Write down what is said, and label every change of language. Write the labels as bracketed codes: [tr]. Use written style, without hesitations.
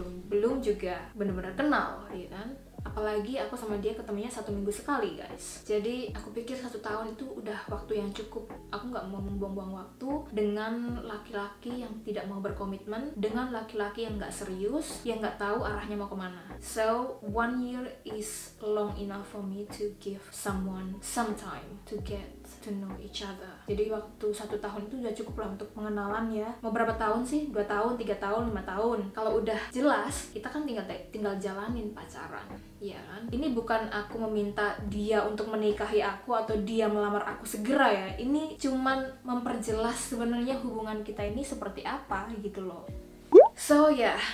[id] Belum juga benar-benar kenal ya kan. Apalagi aku sama dia ketemunya 1 minggu sekali, guys. Jadi aku pikir 1 tahun itu udah waktu yang cukup. Aku gak mau membuang-buang waktu dengan laki-laki yang tidak mau berkomitmen, dengan laki-laki yang gak serius, yang gak tahu arahnya mau kemana. [en] So, 1 year is long enough for me to give someone some time to get to know each other. [id] Jadi waktu 1 tahun itu udah cukup lah untuk pengenalan ya. Mau berapa tahun sih? 2 tahun, 3 tahun, 5 tahun. Kalau udah jelas, kita kan tinggal jalanin pacaran. Iya kan? Ini bukan aku meminta dia untuk menikahi aku atau dia melamar aku segera ya. Ini cuman memperjelas sebenarnya hubungan kita ini seperti apa gitu loh. So ya, yeah.